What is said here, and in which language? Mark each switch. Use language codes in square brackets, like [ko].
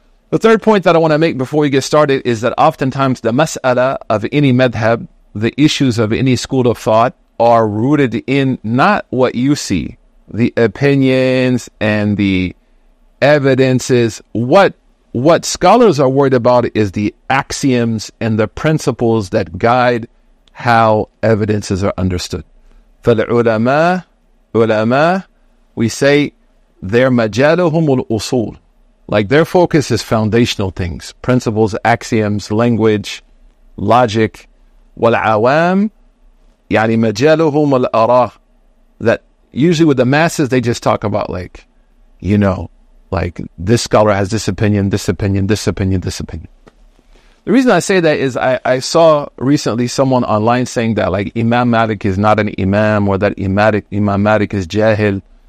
[en] The third point that I want to make before we get started is that oftentimes the mas'ala of any madhab, the issues of any school of thought, are rooted in not what you see, the opinions and the evidences. What scholars are worried about is the axioms and the principles that guide how evidences are understood. [ar] فالعلماء علماء, [en] we say their [ar] مجالهم الأصول. [en] Like their focus is foundational things, principles, axioms, language, logic. [ar] والعوام يعني مجالهم الأراء. [en] That usually with the masses, they just talk about like, you know, like this scholar has this opinion, this opinion, this opinion, this opinion. The reason I say that is I saw recently someone online saying that like Imam Malik is not an imam, or that Imam Malik is jahil.